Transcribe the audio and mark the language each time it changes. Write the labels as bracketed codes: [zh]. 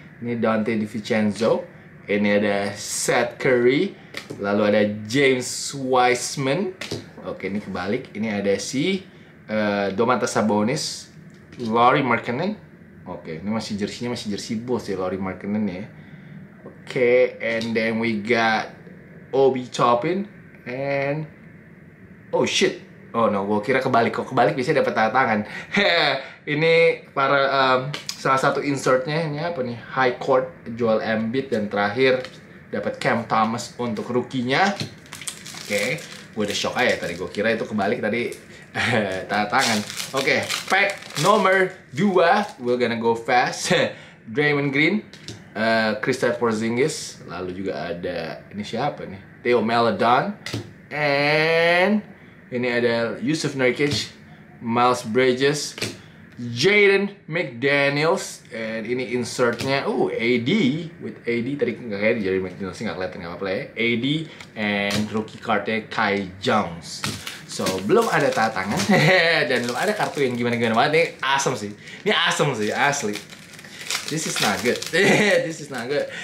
[id] Ini Dante DiVincenzo. Ini ada Seth Curry. Lalu ada James Wiseman. Oke, ini kebalik. Ini ada si Domantas Sabonis, Lauri Markkanen. Oke, ini masih jersey-nya masih jersey Bulls ya, Lauri Markkanen ya. [en] Oke, and then we got Obi Toppin and oh shit. [id] Oh no, gua kira kebalik kok. Kebalik bisa dapat tanda tangan. Ini para salah satu insert-nya ini apa nih? High Court Joel Embiid, dan terakhir dapat Cam Thomas untuk rookie-nya. Oke, gua udah shock aja tadi, gua kira itu kebalik tadi. Tanda tangan. [en] Oke, okay, pack nomor 2. We're gonna go fast. Draymond Green, Kristaps Porzingis. [id] Lalu juga ada, ini siapa nih? Theo Maledon. And ini ada Yusuf Nurkic, Miles Bridges, Jaden McDaniels. And ini insertnya, AD. With AD, tadi gak kayak Jaden McDaniels, gak keliatan, gak apa-apa ya. AD and rookie card-nya Kai Jones. So, belum ada tanda tangan, dan belum ada kartu yang gimana-gimana banget. Ini awesome sih, ini awesome sih, asli. [en] This is not good, this is not good.